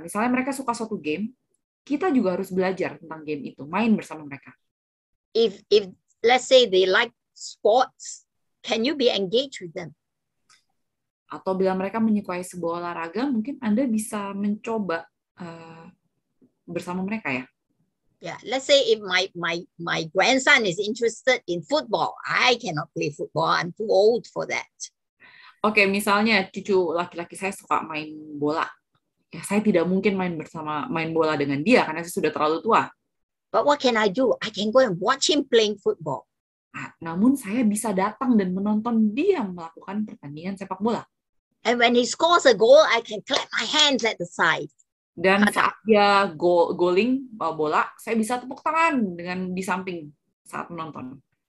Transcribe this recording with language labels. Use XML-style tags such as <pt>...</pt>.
<id>Misalnya mereka suka suatu game, kita juga harus belajar tentang game itu, main bersama mereka.</id> <en>If let's say they like sports, can you be engaged with them?</en> <id>Atau bila mereka menyukai sebuah olahraga, mungkin Anda bisa mencoba bersama mereka ya.</id> <en>Yeah, let's say if my grandson is interested in football, I cannot play football. I'm too old for that.</en> <id>Okay, misalnya cucu laki-laki saya suka main bola. Ya, saya tidak mungkin main bola dengan dia karena saya sudah terlalu tua.</id> <en>But what can I do? I can go and watch him playing football.</en> <id>Namun saya bisa datang dan menonton dia melakukan pertandingan sepak bola.</id> <en>And when he scores a goal, I can clap my hands at the side.</en> <id>Dan saat dia goling bola, saya bisa tepuk tangan dengan di samping saat menonton.</id>